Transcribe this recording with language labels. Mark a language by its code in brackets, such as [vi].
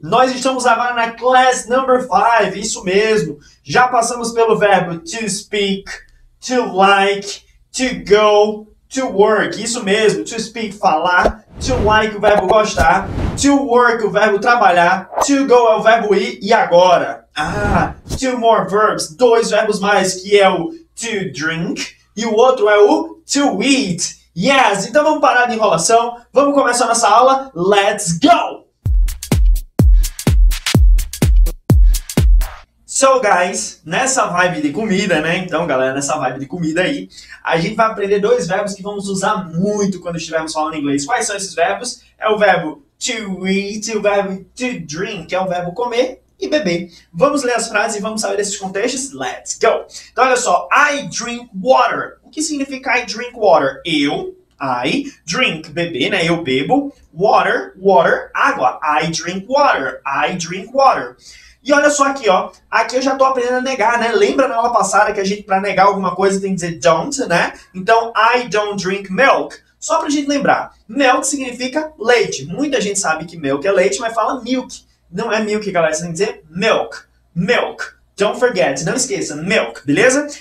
[pt] Nós estamos agora na [en] class number 5, [pt] isso mesmo. Já passamos pelo verbo to speak, to like, to go, to work. Isso mesmo, to speak, falar, to like, o verbo gostar, to work, o verbo trabalhar, to go, é o verbo ir, e agora? Ah, [en] two more verbs, [pt] dois verbos mais, que é o to drink, e o outro é o to eat. Yes, então vamos parar de enrolação, vamos começar nossa aula, [en] let's go! So guys, [pt] nessa vibe de comida, né? Então galera, nessa vibe de comida aí, a gente vai aprender dois verbos que vamos usar muito quando estivermos falando inglês. Quais são esses verbos? É o verbo to eat e o verbo to drink, que é o verbo comer e beber. Vamos ler as frases e vamos saber desses contextos? [en] Let's go! [pt] Então olha só, [en] I drink water. [pt] O que significa [en] I drink water? [pt] Eu, I, drink, beber, né? Eu bebo. [en] Water, water, água. I drink water, I drink water. [pt] E olha só aqui, ó. Aqui eu já tô aprendendo a negar, né? Lembra na aula passada que a gente, pra negar alguma coisa, tem que dizer don't, né? Então, [en] I don't drink milk. [pt] Só pra gente lembrar. Milk significa leite. Muita gente sabe que milk é leite, mas fala milk. Não é milk, galera. Você tem que dizer milk, milk. [en] Don't forget, [pt] não esqueça, milk, beleza?